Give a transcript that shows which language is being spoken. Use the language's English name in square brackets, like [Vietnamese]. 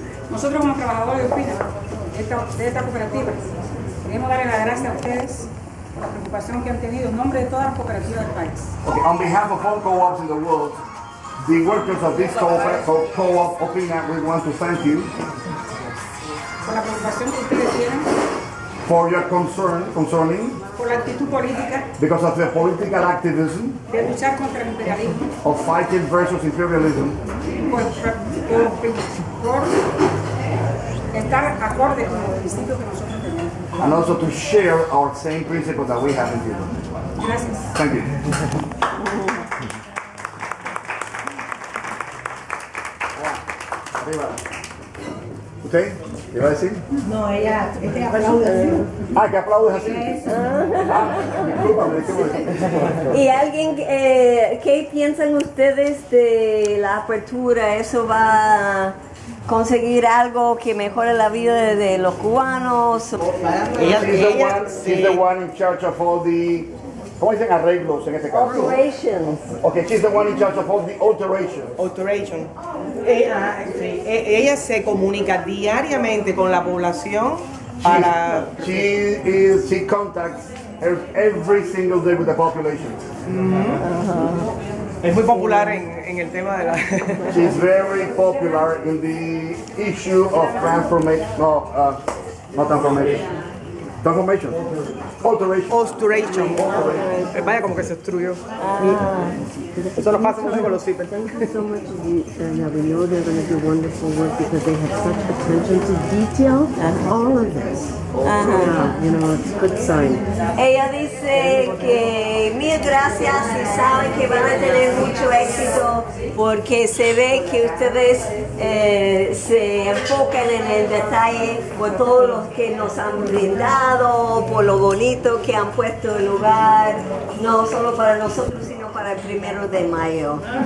[Spanish] Nosotros como trabajadores de Ufina, de esta cooperativa, queremos darle las gracias a ustedes por la preocupación que han tenido en nombre de todas las cooperativas del país. [English] Okay, on behalf of all co-ops in the world, the workers of this co-op Ufina, we want to thank you. [Spanish] Por la preocupación que ustedes tienen. [English] For your concern concerning. [Spanish] Por la actitud política. [English] Because of the political activism. [Spanish] De luchar contra el imperialismo. [English] Of fighting versus imperialism. [Spanish] Por estar acorde con los principios que nosotros tenemos. [English] And also to share our same principles that we have in Cuba. [Spanish] Gracias. [English] Thank you. [Spanish] Okay. ¿Qué va a decir? No, ella, este aplaude así. Ah, que aplaude así. Y alguien, ¿qué piensan ustedes de la apertura? ¿Eso va a conseguir algo que mejore la vida de los cubanos? [English] She's the one in charge of all the, [Spanish] ¿cómo dicen arreglos en este caso? [English] Alterations. Okay, she's the one in charge of all the alterations. Alteration. [Spanish] Ella se comunica diariamente con la población para... [English] She contacts every single day with the population. Mm-hmm. Uh-huh. [Spanish] Es muy popular en el tema de la... [English] She's very popular in the issue of transformation. Alteration. [Spanish] Vaya, como que se obstruyó. Eso nos pasa mucho con los [English] CIPER. So much. We know they're going to do wonderful work because they have such attention to detail at all of this. Uh-huh. You know, it's a good sign. [Spanish] Ella dice que mil gracias y sabe que van a tener mucho éxito porque se ve que ustedes se enfocan en el detalle por todos los que nos han brindado, por lo bonito que han puesto el lugar, no solo para nosotros, sino para el primero de mayo.